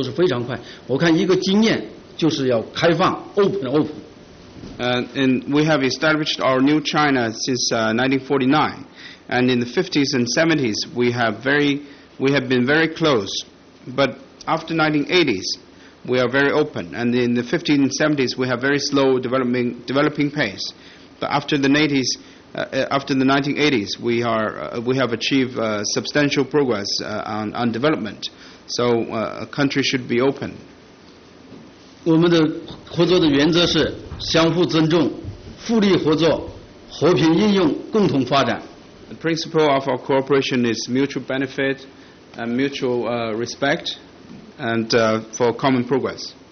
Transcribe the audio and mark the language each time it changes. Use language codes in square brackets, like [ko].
[zh] 我们国家建国时间不是很长，1949年到现在50多年时间，一半时间是处在一个封闭状态，所以应该说从50年代到70年代这一段时间，我们的开放都是很低的，所以那段时间的发展很慢，从80年代到现在，我们的发展速度是非常快。我看一个经验。就是要开放, [en] open, open. And we have established our new China since 1949, and in the 50s and 70s we have been very close, but after 1980s we are very open, and in the 50s and 70s we have very slow developing pace, but after the 1980s we have achieved substantial progress on development, so a country should be open. [zh] 我们的合作的原则是相互尊重、互利合作、和平应用、共同发展。 [en] The principle of our cooperation is mutual benefit and mutual respect and for common progress.